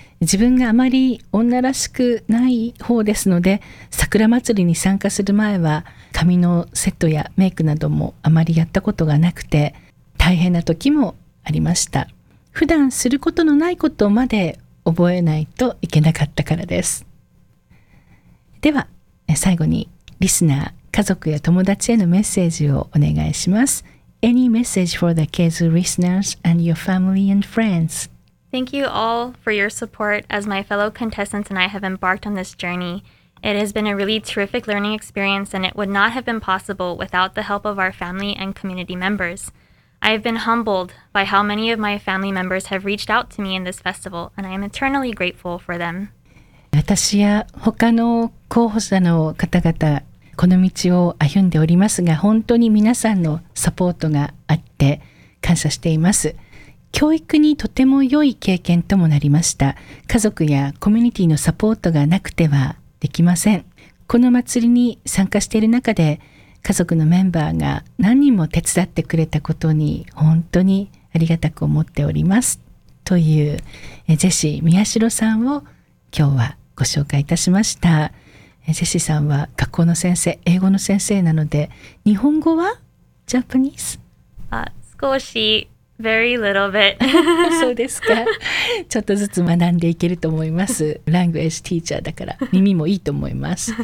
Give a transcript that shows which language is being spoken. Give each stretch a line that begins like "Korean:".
Japanese: 自分があまり女らしくない方ですので、桜祭りに参加する前は髪のセットやメイクなどもあまりやったことがなくて大変な時もありました。普段することのないことまで覚えないといけなかったからです。では最後にリスナー、家族や友達へのメッセージをお願いします。
English: Any message for the Keizu listeners and your family and friends? Thank you all for your support as my fellow contestants and I have embarked on this journey. It has been a really terrific learning experience and it would not have been possible without the help of our family and community members. I have been humbled by how many of my family members have reached out to me in this festival and I am eternally grateful for them.
Japanese: 私や他の候補者の方々、この道を歩んでおりますが、本当に皆さんのサポートがあって感謝しています。教育にとても良い経験ともなりました。家族やコミュニティのサポートがなくてはできません。この祭りに参加している中で、家族のメンバーが何人も手伝ってくれたことに本当にありがたく思っております。というジェシー宮代さんを今日はご紹介いたしました。ジェシーさんは学校の先生、英語の先生なので、日本語は Japanese?
English: 少し、very little bit.
Japanese: そうですか。ちょっとずつ学んでいけると思います。Language teacher だから、耳もいいと思います。